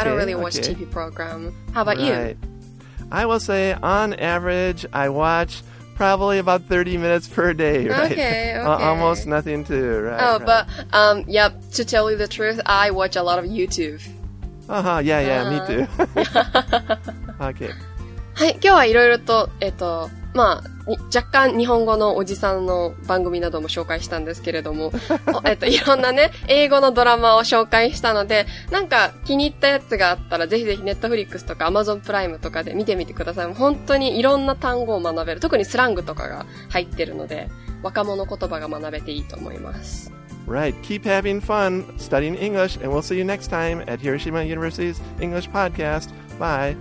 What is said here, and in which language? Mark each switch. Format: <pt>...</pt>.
<en>I don't really watch TV program. How about you? I will say, on average, I watch probably about 30 minutes per day, right? Okay. Almost nothing too, right? Oh, right. But, yep, to tell you the truth, I watch a lot of YouTube. Uh-huh, yeah, me too. Okay.</en> <ja>はい、今日はいろいろと、まあ、若干日本語のおじさんの番組なども紹介したんですけれども、いろんなね、英語のドラマを紹介したので、なんか気に入ったやつがあったら、ぜひぜひ Netflix とか Amazon プライムとかで見てみてください。本当にいろんな単語を学べる、特にスラングとかが入ってるので、若者言葉が学べていいと思います。</ja> <en>Right. Keep having fun studying English, and we'll see you next time at Hiroshima University's English Podcast. Bye.</en>